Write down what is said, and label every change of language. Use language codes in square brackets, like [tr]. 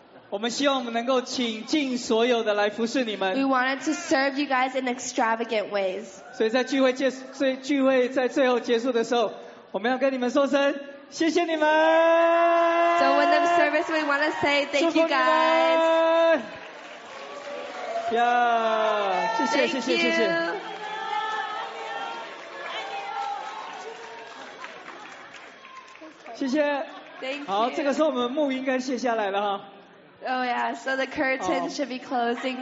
[zh] 我们希望我们能够倾尽所有的来服侍你们。 [en] We wanted to serve you guys in extravagant ways. [zh] 所以在聚会在最后结束的时候，我们要跟你们说声谢谢你们。 [en] So when the service, we want to say thank you guys. [zh] 祝福你们。 Yeah, 谢谢谢谢谢谢。谢谢。 [en] Thank [zh] you. 好，这个时候我们幕应该卸下来了哈。 [en] Oh yeah, so the curtain should be closing now.